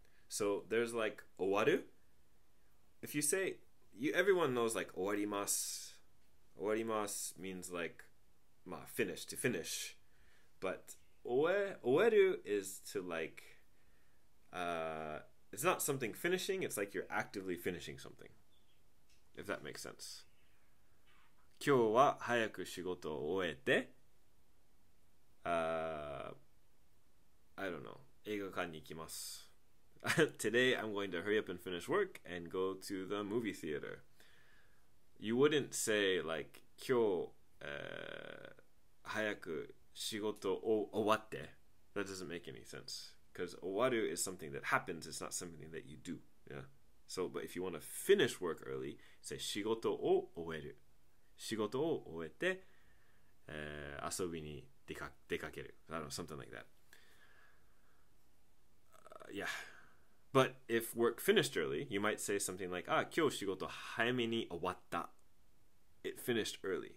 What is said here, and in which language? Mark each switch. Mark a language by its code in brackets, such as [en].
[en] So, there's like 終わる。If you say, everyone knows like 終わります。終わります means like,まあ、finish, to finish. But 終える is to like, it's not something finishing, it's like you're actively finishing something. If that makes sense. [ja] 今日は早く仕事を終えて、 [en] I don't know, [ja] 映画館に行きます。 [en] Today I'm going to hurry up and finish work and go to the movie theater. You wouldn't say like, [ja] 今日、早く仕事を終わって。 [en] That doesn't make any sense. Because 終わる is something that happens, it's not something that you do. Yeah. So, but if you want to finish work early, say [ja] 仕事を終える。仕事を終えて、遊びに出かける。 [en] I don't know, something like that. Yeah. But if work finished early, you might say something like, ah, [ja] 今日仕事早めに終わった。 [en] It finished early.